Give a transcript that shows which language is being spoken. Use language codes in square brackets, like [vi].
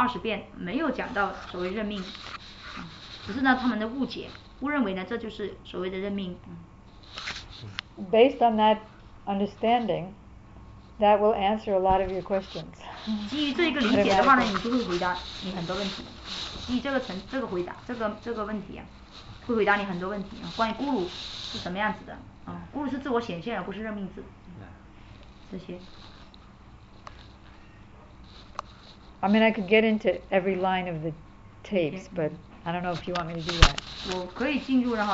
[zh] 就说呢，关于呢任命孤儿的事情的话呢，他们总是说呢，有证据。证据呢，就是据说在他们这个录音带里面。那么呢，当时呢，他就问了一下录音带，拿去听了。所以呢，这里面仔细听了20遍，没有讲到所谓任命。只是呢，他们的误解，误认为呢，这就是所谓的任命。 [en] Based on that understanding, that will answer a lot of your questions. [zh] 基于这个理解的话呢，你就会回答你很多问题。基于这个问题啊，会回答你很多问题啊。关于咕噜是什么样子的？咕噜是自我显现，而不是任命字。这些。 [en] I mean, I could get into every line of the tapes, but I don't know if you want me to do that.